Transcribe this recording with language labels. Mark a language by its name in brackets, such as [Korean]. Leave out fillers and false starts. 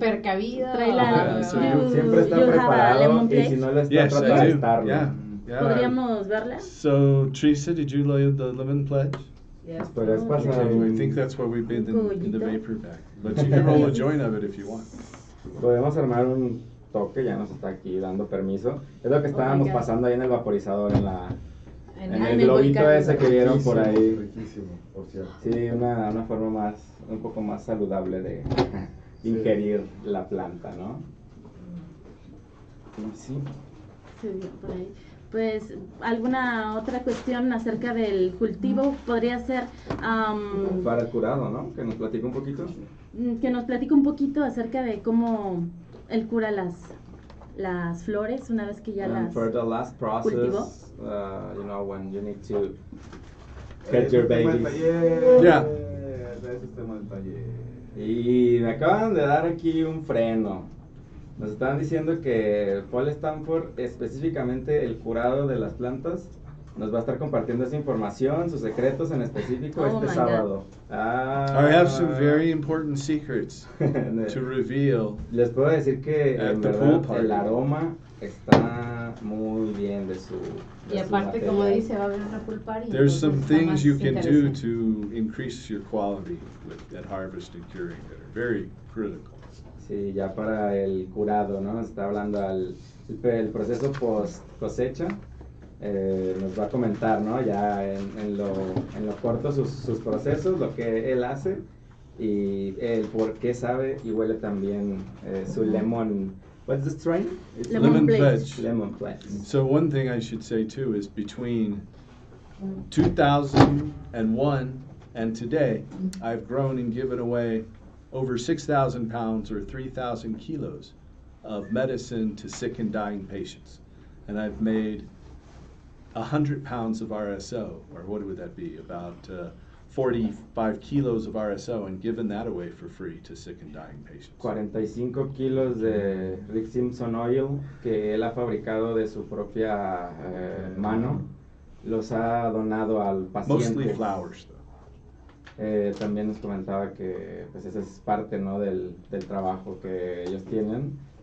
[Spanish] Precavido. [English] Yeah, so you [Spanish] siempre está preparado, y si no, [English] yes, I do. [Spanish] ¿Podríamos verla? [English] So, Teresa, did you lay the lemon pledge? Yes. I think that's what we've been in the vapor bag. But you can roll a joint of it if you want. [Spanish] Podemos armar un toque, ya nos está aquí dando permiso. Es lo que estábamos pasando ahí en el vaporizador, en el globito ese que vieron por ahí. Riquísimo, por cierto. Sí, una forma más, un poco más saludable de ingerir la planta, ¿no? Sí. Se vio por ahí. Pues, ¿alguna otra cuestión acerca del cultivo? Podría ser... para el curado, ¿no? Que nos platique un poquito. Que nos platique un poquito acerca de cómo él cura las flores una vez que ya las cultivó. [English] For the last process, you know, when you need to get your babies. Yeah. [Spanish] Y me acaban de dar aquí un freno. Nos están diciendo que Paul Stanford, específicamente el curado de las plantas, nos va a estar compartiendo esa información, sus secretos en específico, este sábado. [English] I have some very important secrets to reveal. [Spanish] Les puedo decir que en verdad, el aroma está muy bien de su y aparte, materia. Como dice, va a haber una pool party. [English] There's some things you can do to increase your quality at harvest and curing that are very critical. [Spanish] Sí, ya para el curado, ¿no? Nos está hablando el proceso post cosecha. Nos va a comentar, ¿no? Ya en lo corto sus procesos, lo que él hace y el por qué sabe y huele también su lemon. [English] What's the strain? Lemon pledge. Lemon pledge. So one thing I should say too is between 2001 and today, I've grown and given away over 6,000 pounds or 3,000 kilos of medicine to sick and dying patients. And I've made 100 pounds of RSO, or what would that be, about 45 kilos of RSO, and given that away for free to sick and dying patients. [Spanish] 45 kilos de Rick Simpson oil que él ha fabricado de su propia mano, los ha donado al paciente. [English] Mostly flowers, though. [Spanish] También nos comentaba que pues esa es parte, ¿no?, del trabajo que ellos tienen